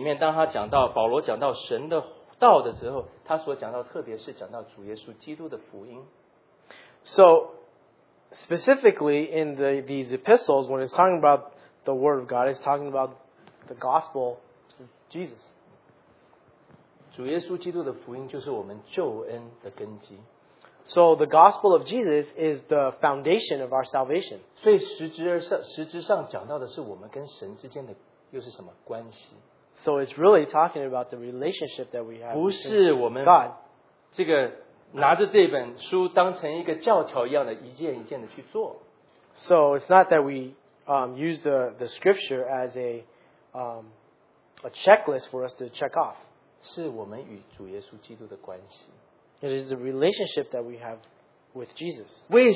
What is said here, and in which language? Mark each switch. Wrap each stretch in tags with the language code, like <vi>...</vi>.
<zh>但是比较窄义的讲法,在这个教牧书信里面,当他讲到,保罗讲到神的道的时候, 他所讲到特别是讲到主耶稣基督的福音。</zh> <en>So, specifically in these epistles, when it's talking about the word of God, it's talking about the gospel of Jesus.</en> <zh>主耶稣基督的福音就是我们救恩的根基。</zh> <en>So the gospel of Jesus is the foundation of our salvation.</en> <zh>所以实质上讲到的是我们跟神之间的又是什么关系?</zh> <en>So it's really talking about the relationship that we have with God.</en> <zh>拿着这本书当成一个教条一样的一件一件的去做。</zh> <en>So it's not that we use the scripture as a checklist for us to check off.</en> <zh>是我们与主耶稣基督的关系。</zh> <en>It is the relationship that we have with Jesus.</en>